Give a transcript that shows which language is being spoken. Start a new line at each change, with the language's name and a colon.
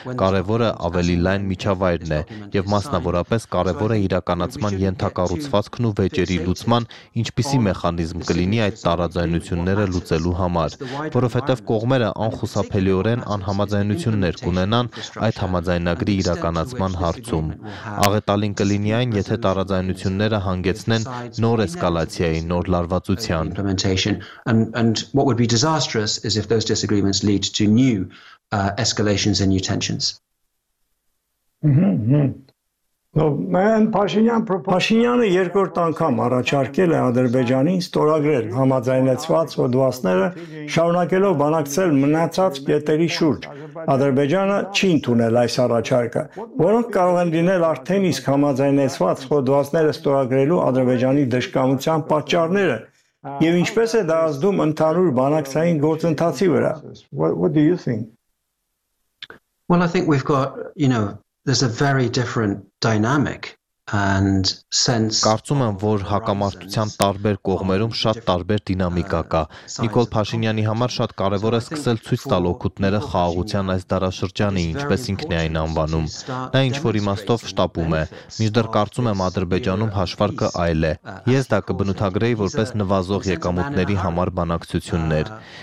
Armenian: Կարևորը ավելի լայն միջավայրն է եւ մասնավորապես կարևորը իրականացման ենթակառուցվածքն ու վեճերի լուծման, ինչպիսի մեխանիզմ կլինի այդ տարաձայնությունները լուծելու համար, որով հետև կողմերը անխուսափելիորեն անհամաձայնություններ կունենան այդ համաձայնագրի իրականացման հարցում։ Աղետալին կլինի այն, եթե տարաձայնությունները հանգեցնեն նոր էսկալացիայի, նոր լարվածության։
English: And what would be disastrous is if those disagreements lead to new escalations and new tensions.
Armenian: Փաշինյանը երկրորդ անգամ առաջարկել է Ադրբեջանին ստորագրել համաձայնեցված հոդվածները, շարունակելով բանակցել մնացած կետերի շուրջ։ Ադրբեջանը չի ընդունել այս առաջարկը, որոնք կարող են լինել արդեն իսկ համաձայնեցված հոդվածները ստորագրելու Ադրբեջանի դժկամության պատճառները, եւ ինչպես է դա ազդում ընդհանուր բանակցային գործընթացի վրա։
English: What do you think? Well, I think we've got, you know, there's a very different dynamic and sense.
Armenian: Կարծում եմ, որ հակամարտության տարբեր կողմերում շատ տարբեր դինամիկա կա։ Նիկոլ Փաշինյանի համար շատ կարևոր է սկսել ցույց տալ օգուտները խաղաղության այս դարաշրջանի, ինչպես ինքն է այն անվանում։ Դա ինչ որ իմաստով շտապում է։ Միջդեռ կարծում եմ, Ադրբեջանում հաշվարկը այլ է։ Ես դա կբնութագրեի որպես նվազող եկամուտների համար բանակցություններ։